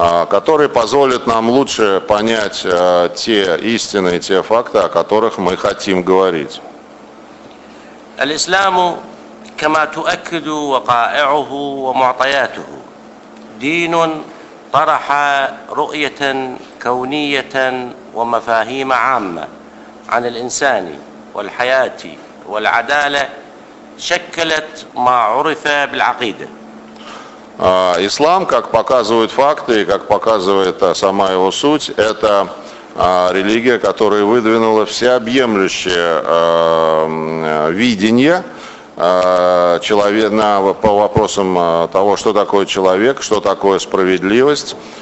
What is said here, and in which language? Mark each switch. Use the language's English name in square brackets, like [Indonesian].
[Russian] Который позволит нам лучше понять те истины, те факты, о которых мы хотим говорить. [Arabic] الإسلام كما تؤكد وقائعه ومعطياته دين طرح رؤية كونية ومفاهيم عامة عن الإنسان والحياة والعدالة شكلت ما عرف بالعقيدة. [Russian] إسلام, как показывают факты, как показывает сама его суть, это религия, которая выдвинула всеобъемлющее видение человека по вопросам того, что такое человек, что такое справедливость.